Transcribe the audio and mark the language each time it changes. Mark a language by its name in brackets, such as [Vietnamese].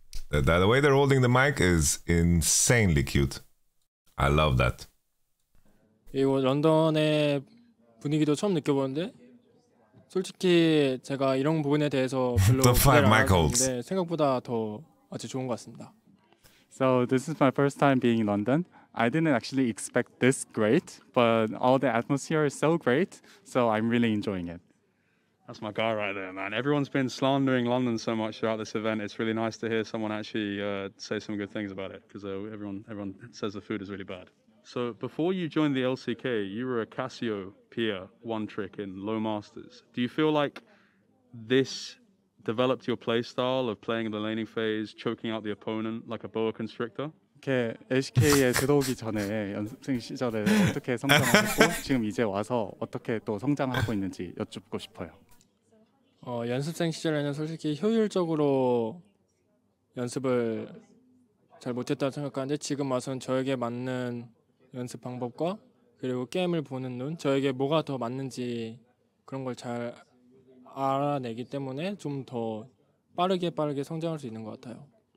[English] The way they're holding the mic is insanely cute. I love that. [Korean] 이거 런던의 분위기도 처음 느껴보는데 솔직히 제가 이런 부분에 대해서 별로 기대를 안 했는데 생각보다 더 아주 좋은 것 같습니다. [English] So this is my first time being in London. I didn't actually expect this great, but all the atmosphere is so great, so I'm really enjoying it. That's my guy right there, man. Everyone's been slandering London so much throughout this event. It's really nice to hear someone actually say some good things about it, because everyone says the food is really bad. So before you joined the LCK, you were a Cassiopeia one trick in low masters. Do you feel like this developed your play style of playing in the laning phase, choking out the opponent like a boa constrictor? [Korean] 이렇게 LCK에 들어오기 전에 연습생 시절에 어떻게 성장하고 지금 이제 와서 어떻게 또 성장하고 있는지 여쭙고 싶어요. 연습생 시절에는 솔직히 효율적으로 연습을 잘 못했다고 생각하는데 지금 와서는 저에게 맞는 연습 방법과 그리고 게임을 보는 눈, 저에게 뭐가 더 맞는지 그런 걸 잘 알아내기 때문에 좀 더 빠르게 성장할 수 있는 것 같아요.